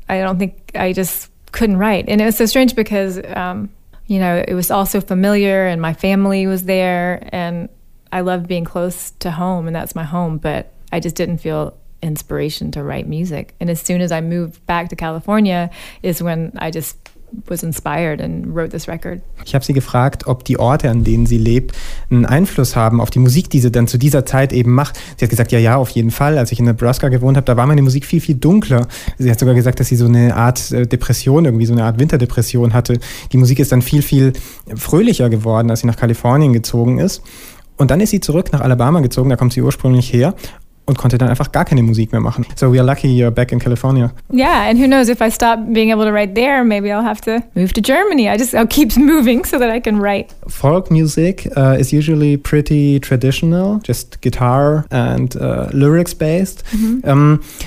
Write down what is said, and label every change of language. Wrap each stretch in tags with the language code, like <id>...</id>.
<en>I don't think, I just couldn't write. And it was so strange because, you know, it was all so familiar and my family was there and I love being close to home, and that's my home, but I just didn't feel inspiration to write music. And as soon as I moved back to California is when I just was inspired and wrote this record.</en> <de>Ich habe sie gefragt, ob die Orte, an denen sie lebt, einen Einfluss haben auf die Musik, die sie dann zu dieser Zeit eben macht. Sie hat gesagt, ja, ja, auf jeden Fall. Als ich in Nebraska gewohnt habe, da war meine Musik viel, viel dunkler. Sie hat sogar gesagt, dass sie so eine Art Depression, irgendwie so eine Art Winterdepression hatte. Die Musik ist dann viel, viel fröhlicher geworden, als sie nach Kalifornien gezogen ist. Und dann ist sie zurück nach Alabama gezogen, da kommt sie ursprünglich her. und konnte dann einfach gar keine Musik mehr machen.</de> <en>So we are lucky you're back in California. Yeah, and who knows, if I stop being able to write there, maybe I'll have to move to Germany. I'll keep moving so that I can write. Folk music is usually pretty traditional, just guitar and lyrics based. Mm-hmm.</en>